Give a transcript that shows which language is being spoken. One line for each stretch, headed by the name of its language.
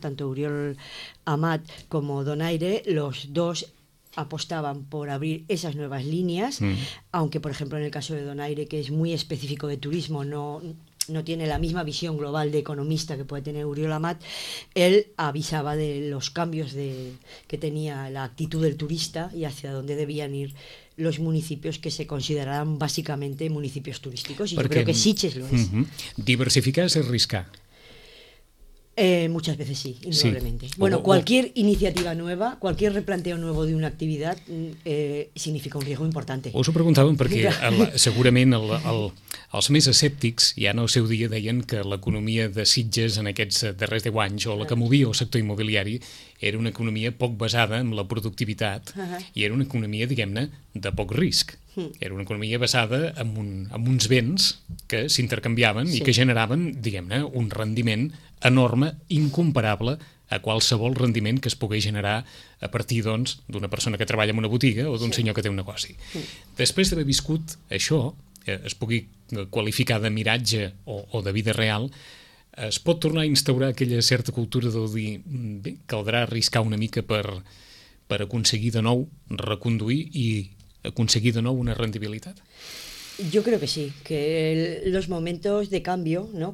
Spanish: Tanto Uriol Amat como Donaire, los dos apostaban por abrir esas nuevas líneas, aunque por ejemplo en el caso de Donaire, que es muy específico de turismo, no tiene la misma visión global de economista que puede tener Uriol Amat, él avisaba de los cambios que tenía la actitud del turista y hacia dónde debían ir los municipios que se consideraban básicamente municipios turísticos. Y porque, yo creo que Sitges lo es. Uh-huh.
Catalan: ¿Diversificar es arriscar?
Spanish: Muchas veces sí, indudablemente. Sí. Bueno, cualquier iniciativa nueva, cualquier replanteo nuevo de una actividad significa un riesgo importante.
Catalan: Us ho preguntàvem perquè segurament els més escèptics ja en el seu dia deien que l'economia de Sitges en aquests darrers 10 anys o la que movia el sector immobiliari era una economia poc basada en la productivitat i era una economia, diguem-ne, de poc risc. Era una economia basada en uns béns que s'intercanviaven i que generaven, diguem-ne, un rendiment enorme, incomparable a qualsevol rendiment que es pugui generar a partir, doncs, d'una persona que treballa en una botiga o d'un senyor que té un negoci. Després d'haver viscut això, es pugui qualificar de miratge o de vida real, es pot tornar a instaurar aquella certa cultura de dir, bé, caldrà arriscar una mica per aconseguir de nou reconduir i aconseguir de nou una rendibilitat?
Spanish: Yo creo que sí, que los momentos de cambio, ¿no?